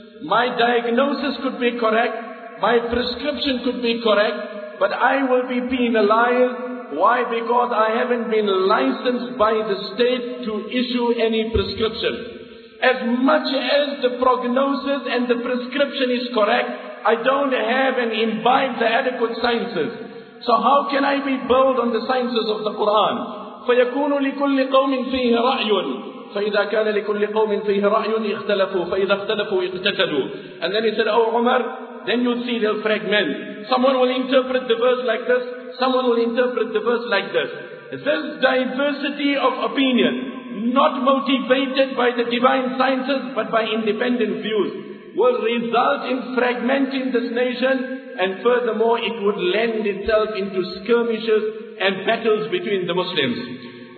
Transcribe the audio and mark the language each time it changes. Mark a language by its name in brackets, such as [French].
[English] My diagnosis could be correct, my prescription could be correct, but I will be penalized. Why? Because I haven't been licensed by the state to issue any prescription. As much as the prognosis and the prescription is correct, I don't have and imbibe the adequate sciences. So how can I be bold on the sciences of the Qur'an? [Arabic] فَيَكُونُ لِكُلِّ قَوْمٍ فِيهِ رَأْيٌ فَإِذَا كَانَ لِكُلِّ قَوْمٍ فِيهِ رَأْيٌ اِخْتَلَفُوا فَإِذَا اخْتَلَفُوا اِقْتَتَلُوا [English] And then he said, Oh Umar, then you'll see they'll fragment. Someone will interpret the verse like this, someone will interpret the verse like this. This diversity of opinion, not motivated by the divine sciences, but by independent views, will result in fragmenting this nation, and furthermore, it would lend itself into skirmishes and battles between the Muslims.